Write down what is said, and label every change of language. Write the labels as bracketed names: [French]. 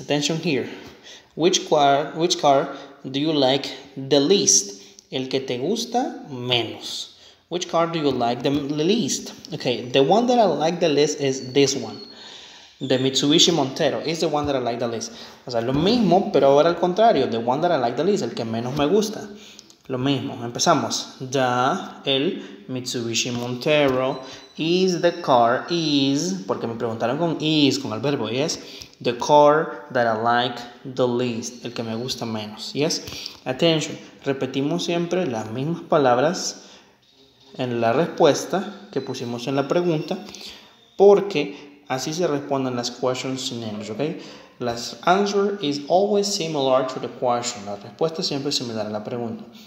[English] Attention here. Which car do you like the least? [Spanish] El que te gusta menos. [English] Which car do you like the least? Okay, the one that I like the least is this one. The Mitsubishi Montero is the one that I like the least. [Spanish] O sea, lo mismo, pero ahora al contrario. [English] The one that I like the least, [Spanish] el que menos me gusta. Lo mismo, empezamos. El Mitsubishi Montero [English] is the car, [Spanish] is, porque me preguntaron con is, con el verbo, yes. [English] The car that I like the least, [Spanish] el que me gusta menos, [English] yes. [Spanish] Attention, repetimos siempre las mismas palabras en la respuesta que pusimos en la pregunta, porque así se responden las [English] questions in English, okay? Las answer is always similar to the question. [Spanish] La respuesta siempre es similar a la pregunta.